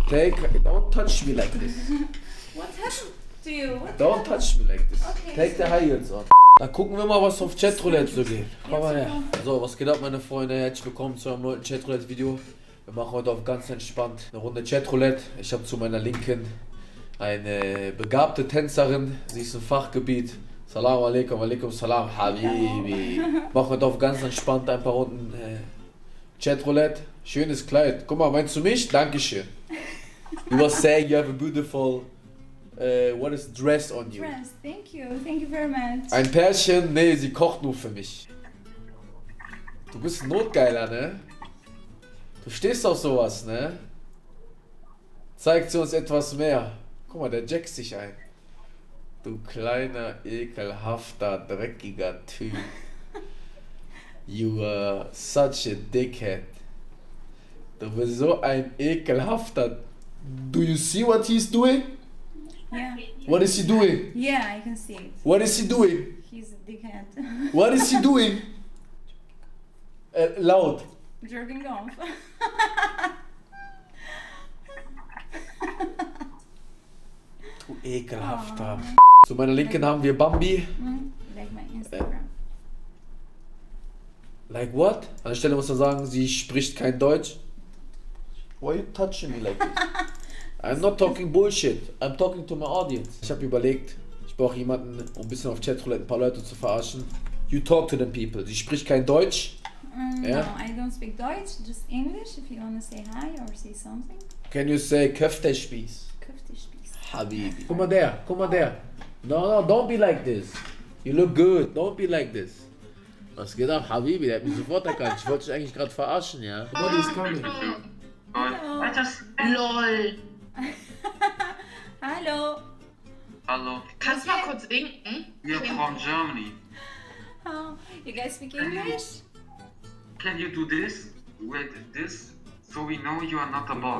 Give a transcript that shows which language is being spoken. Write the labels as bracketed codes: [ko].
[en] Take, don't touch me like this. What happened to you? Don't touch me like this. Take the high heels off. [de] Da gucken wir mal, was auf Chatroulette so geht. Komm mal her. So, was geht ab, meine Freunde? Herzlich willkommen zu einem neuen Chatroulette-Video. Wir machen heute auf ganz entspannt eine Runde Chatroulette. Ich habe zu meiner Linken eine begabte Tänzerin. Sie ist im Fachgebiet. Salam alaikum, alaikum salam, Habibi. Machen heute auf ganz entspannt ein paar Runden Chatroulette. Schönes Kleid. Guck mal, meinst du mich? Dankeschön. [en] You were saying you have a beautiful... what is dress on you? Dress, thank you very much. [de] Ein Pärchen? Nee, sie kocht nur für mich. Du bist ein Notgeiler, ne? Du stehst auf sowas, ne? Zeigt sie uns etwas mehr. Guck mal, der jackt sich ein. Du kleiner, ekelhafter, dreckiger Typ. [en] You are such a dickhead. [de] Du bist so ein ekelhafter... [en] Do you see what he's doing? Yeah. What is he doing? Yeah, I can see it. What is he doing? He's a dickhead. What is he doing? Laut. Jerking off. [de] Du ekelhafter. Oh. Zu meiner Linken haben wir Bambi. [en] Like my Instagram. Like what? [de] An der Stelle muss man sagen, sie spricht kein Deutsch. [en] Why are you touching me like this? I'm not talking bullshit, I'm talking to my audience. [de] Ich habe überlegt, ich brauche jemanden, um ein bisschen auf Chatroulette ein paar Leute zu verarschen. [en] You talk to them people. [de] Sie spricht kein Deutsch. [en] Yeah? No, I don't speak Deutsch, just English, if you want to say hi or say something. Can you say Köftespieß? Köftespieß. Habibi. [de] Guck mal der. [en] No, don't be like this. You look good, don't be like this. [de] Was geht ab, Habibi? Der hat mich sofort erkannt. Ich wollte dich eigentlich gerade verarschen, ja? [en] What is coming? Hello. LOL. [de] Hallo. Hallo. Kannst du mal kurz winken? Wir sind aus Germany. [en] Oh, you guys speak English? Can you do this? With this? So we know you are not a bot.